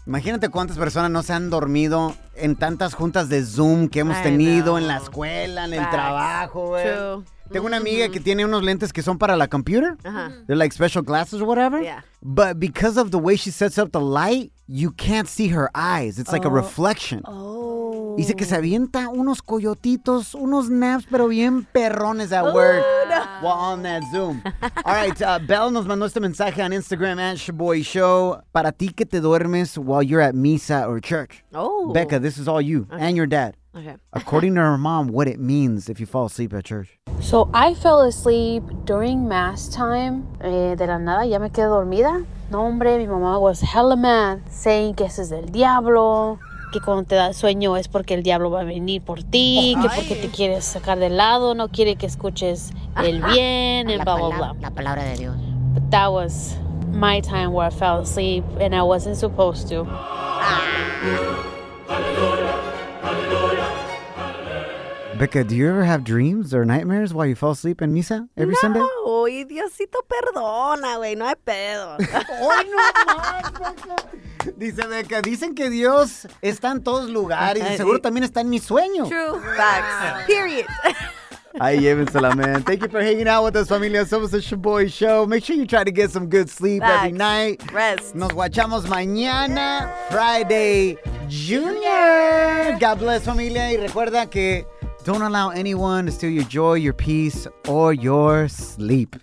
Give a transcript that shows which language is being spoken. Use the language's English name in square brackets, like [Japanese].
[Spanish] Imagínate cuántas personas no se han dormido en tantas juntas de Zoom que hemos tenido en la escuela, en el trabajo, güey. [English] True. [Spanish] Tengo una amiga que tiene unos lentes que son para la computer. Uh-huh. [English] They're like special glasses or whatever. Yeah. But because of the way she sets up the light, you can't see her eyes. It's like a reflection. Oh. [Spanish] Dice que se avienta unos coyotitos, unos naps, pero bien perrones [English] at work while on that Zoom. All right, [Spanish] Bell nos mandó este mensaje on Instagram at Shaboy Show. Para ti que te duermes [English] while you're at [Spanish] misa or church. Oh. [English] Becca, this is all you and your dad. Okay. According to her mom, what it means if you fall asleep at church. So I fell asleep during mass time. [Spanish] De la nada, ya me quedé dormida. No, hombre, mi mamá [English] was hella mad, saying [Spanish] que ese es el diablo, que cuando te da sueño es porque el diablo va a venir por ti, que porque te quieres sacar de lado, no quiere que escuches el bien, [English] and blah, blah, blah. [Spanish] La palabra de Dios. [English] But that was my time where I fell asleep, and I wasn't supposed to. Becca, do you ever have dreams or nightmares while you fall asleep in misa every Sunday? [Spanish] No, y Diosito perdona, güey. No hay pedo. ¡Oh, no más, Becca! Dice Becca, dicen que Dios está en todos lugares. Seguro también está en mi sueño. [English] True facts. Period. [Spanish] Ahí llévensela, man. [English] Thank you for hanging out with us, familia. [Spanish] Somos el Shaboy Show. [English] Make sure you try to get some good sleep facts every night. Rest. [Spanish] Nos guachamos mañana, yeah. [English] Friday, Junior. God bless, [Spanish] familia. Y recuerda que [English] don't allow anyone to steal your joy, your peace, or your sleep.